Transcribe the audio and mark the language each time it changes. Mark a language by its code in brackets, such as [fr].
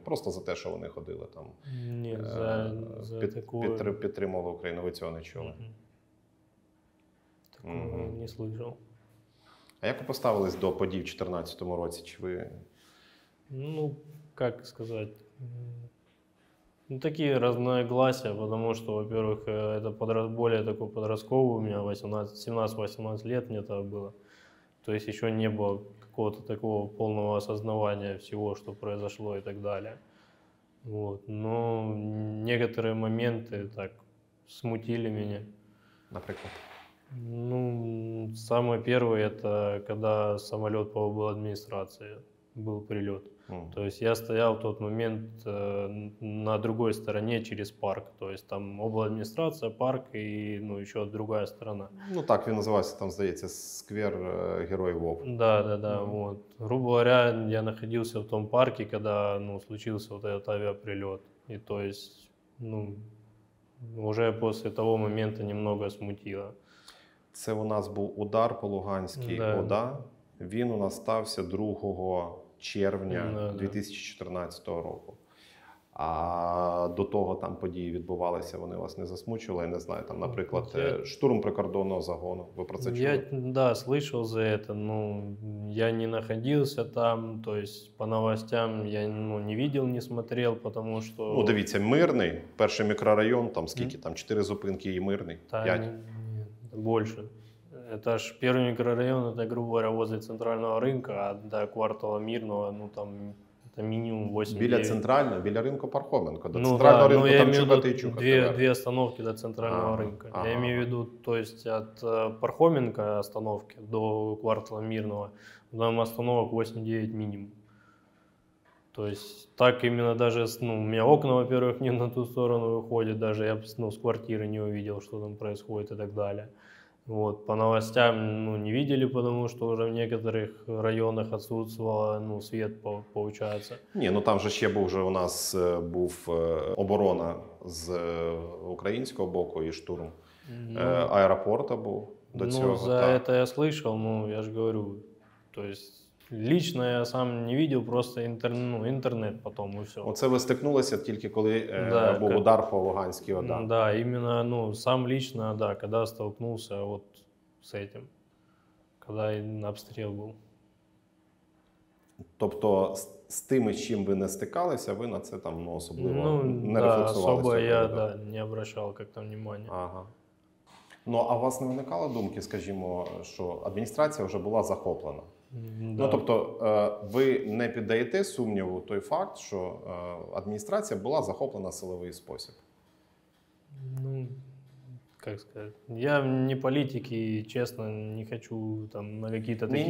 [uk] Просто за те, що вони ходили там. Ні, за таку... Підтримували Україну, ви цього не чули? Такого, угу, не слухав. А як ви поставились до подій в 2014 році? Чи ви... Ну, як сказати... [ru] Ну, такие разногласия, потому что, во-первых, это более такой подростковый у меня, 17-18 лет мне это было. То есть еще не было какого-то такого полного осознавания всего, что произошло и так далее. Вот. Но некоторые моменты так смутили меня. Например? Ну, самое первое, это когда самолет по обл. Администрации был прилет. То есть я стоял в тот момент на другой стороне через парк. То есть там обладміністрація, парк и ну, еще другая сторона. [uk] Ну так, він називався там, здається, сквер Героїв ВОВ. [ru] Да, да, да. Вот. Грубо говоря, я находился в том парке, когда ну, случился вот этот авіаприльот. И то есть ну, уже после того момента немного смутило. [uk] Це у нас був удар по Луганській, да. ОДА. Він у нас стався 2 червня 2014 року. А до того там події відбувалися, вони вас не засмучили, я не знаю, там, наприклад, штурм прикордонного загону. Ви про це чули? [ru] Я, да, слышал за это, ну, я не находился там, то есть по новостям я, ну, не видел, не смотрел, потому что... [uk] Ну, дивіться, Мирний, перший мікрорайон, там скільки, там 4 зупинки і Мирний, там, 5. Ні, більше. [ru] Это ж первый микрорайон, это, грубо говоря, возле центрального рынка, а до квартала Мирного, ну там, это минимум 8-9. [uk] Біля центрального, біля ринку Пархоменко, до центрального, ну, ринку, ну, там Чукати і Чукати. Дві [ru] остановки [uk] до центрального ринку. [ru] Я имею в виду, то есть от Пархоменко остановки до квартала Мирного, там остановок 8-9 минимум. То есть так именно даже, ну, у меня окна, во-первых, не на ту сторону выходят, даже я, ну, с квартиры не увидел, что там происходит и так далее. Вот, по новостям, ну, не видели, потому что уже в некоторых районах отсутствовало, ну, свет, получается. [uk] Ні, ну там же ще був, вже у нас був оборона з українського боку і штурм, аеропорта був до цього. [ru] Ну, за это я слышал, ну, я ж говорю, то есть... Лично я сам не видел, просто интернет потом и все. [uk] Оце ви стикнулися тільки, коли був удар по Луганській ОДА. [ru] Да, именно, ну, сам лично, да, когда столкнулся вот с этим, когда [uk] обстріл був. Тобто з тими, з чим ви не стикалися, ви на це там, ну, особливо, ну, не, да, рефлексували? [ru] Особо я, да, не обращал как-то внимания. Ага. [uk] Ну, а у вас не виникало думки, скажімо, що адміністрація вже була захоплена? [ru] Да. [uk] Ну, тобто, ви не піддаєте сумніву той факт, що адміністрація була захоплена в силовий спосіб? Ну, як сказати, я не політик і, чесно, не хочу там на якісь такі...